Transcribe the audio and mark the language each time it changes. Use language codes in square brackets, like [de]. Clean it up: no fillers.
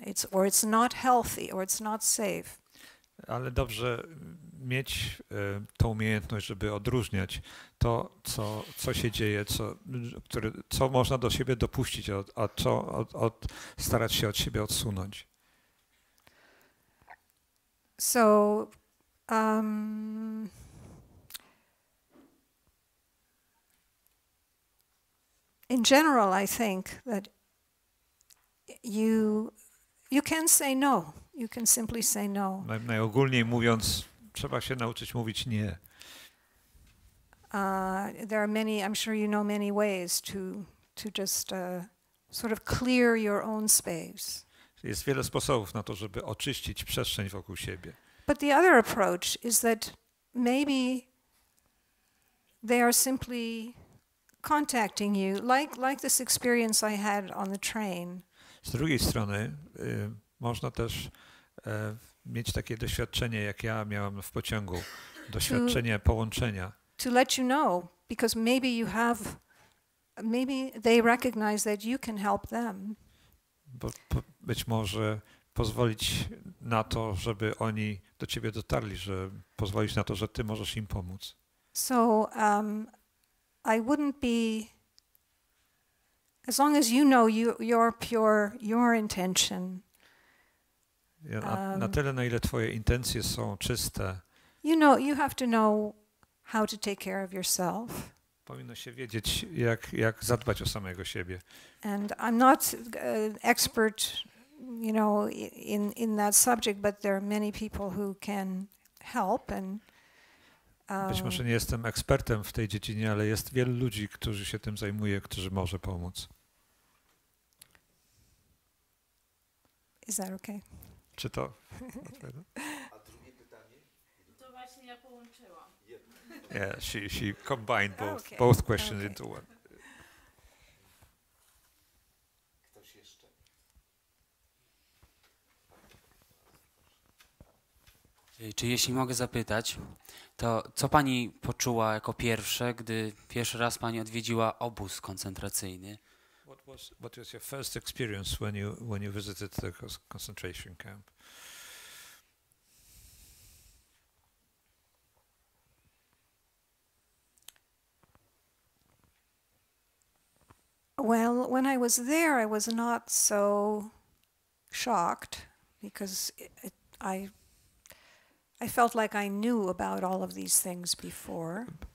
[en] It's or it's not healthy or it's not safe. [pl] Ale dobrze mieć tą umiejętność, żeby odróżniać to, co się dzieje, co można do siebie dopuścić, a co starać się od siebie odsunąć. [en] So, in general, I think that you can say no. You can simply say no. [pl] Najogólniej mówiąc, trzeba się nauczyć mówić nie. [en] There are many, I'm sure you know many ways to just sort of clear your own space. [pl] Jest wiele sposobów na to, żeby oczyścić przestrzeń wokół siebie. [en] But the other approach is that maybe they are simply contacting you, like this experience I had on the train. [pl] Z drugiej strony można też mieć takie doświadczenie, jak ja miałam w pociągu, doświadczenie połączenia. [en] To let you know, because maybe you have, maybe they recognize that you can help them. [pl] Bo być może pozwolić na to, żeby oni do ciebie dotarli, że pozwolić na to, że ty możesz im pomóc. [en] So I wouldn't be, as long as you know you're pure, your intention. [pl] Na tyle, na ile twoje intencje są czyste. [en] You know, you have to know how to take care of yourself. [pl] Powinno się wiedzieć, jak zadbać o samego siebie. [en] And I'm not expert, you know, in that subject, but there are many people who can help. And [pl] być może nie jestem ekspertem w tej dziedzinie, ale jest wielu ludzi, którzy się tym zajmuje, którzy może pomóc. [en] Is that okay? [pl] Czy to? [en] Yeah, she combined both, okay, both questions, okay, into one. [pl] Ktoś jeszcze? Czy jeśli mogę zapytać, to co pani poczuła jako pierwsze, gdy pierwszy raz pani odwiedziła obóz koncentracyjny? [en] What was your first experience when you visited the concentration camp? Well, when I was there, I was not so shocked because I felt like I knew about all of these things before.